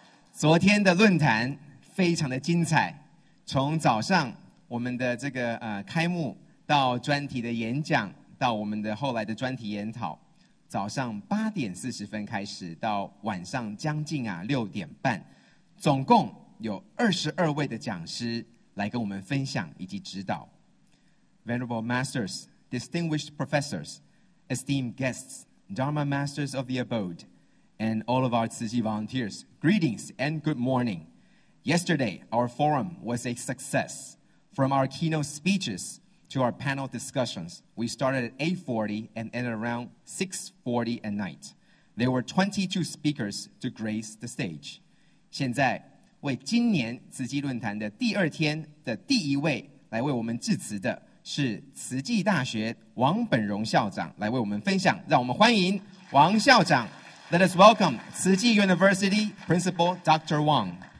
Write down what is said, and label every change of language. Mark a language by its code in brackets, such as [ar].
[zh] 昨天的论坛非常的精彩，从早上我们的这个开幕，到专题的演讲，到我们的后来的专题研讨，早上8:40开始，到晚上将近啊6:30，总共有22位的讲师来跟我们分享以及指导。 [en] Venerable Masters, Distinguished Professors, Esteemed Guests, Dharma Masters of the Abode, and all of our 慈济 Volunteers, Greetings and good morning. Yesterday, our forum was a success. From our keynote speeches,to our panel discussions, we started at 8:40 and ended around 6:40 at night. There were 22 speakers to grace the stage. [zh] 现在为今年慈济论坛的第二天的第一位来为我们致辞的是慈济大学王本荣校长来为我们分享。让我们欢迎王校长。 [en] Let us welcome 慈济 University Principal Dr. Wang.